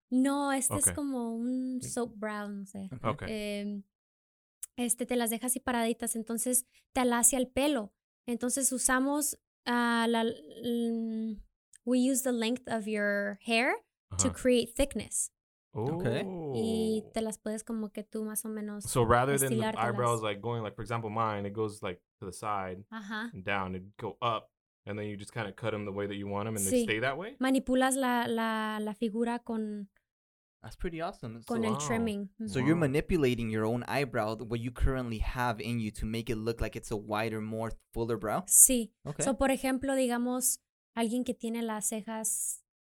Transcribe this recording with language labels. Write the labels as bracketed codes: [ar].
[es] No, es como un soap brow, no sé. Te las dejas así paraditas, entonces te alas el pelo. Entonces, usamos [en] we use the length of your hair. To create thickness. Okay. [es] Y te las puedes como que tú más o menos. [en] So rather than the eyebrows like going like, for example, mine, it goes like to the side and down. It'd go up and then you just kind of cut them the way that you want them and they stay that way. [es] Manipulas la figura con. [en] That's pretty awesome. [es] Con el trimming. [en] So you're manipulating your own eyebrow, what you currently have in you, to make it look like it's a wider, more fuller brow? [es] Sí. Okay. So por ejemplo, digamos, alguien que tiene las cejas.